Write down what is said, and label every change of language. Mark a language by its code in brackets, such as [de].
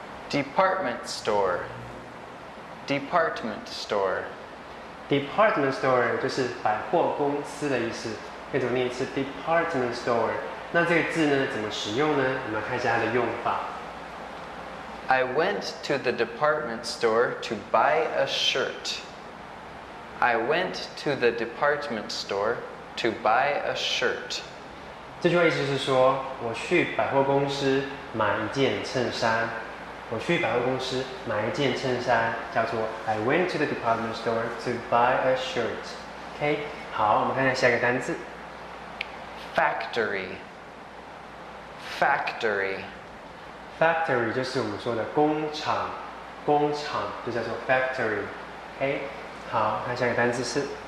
[en] Department store， Department store， [zh] Department store 就是百货公司的意思，可以怎么念？是 Department store。那这个字呢，怎么使用呢？我们来看一下它的用法。 [en] I went to the department store to buy a shirt. I went to the department store. To buy a shirt， [zh] 这句话意思是说，我去百货公司买一件衬衫。我去百货公司买一件衬衫，叫做 [en] I went to the department store to buy a shirt。 [zh] OK， 好，我们看一下下一个单字 [en] ，factory。 Factory， [zh] factory 就是我们说的工厂，工厂就叫做 factory。 OK， 好，看下一个单字是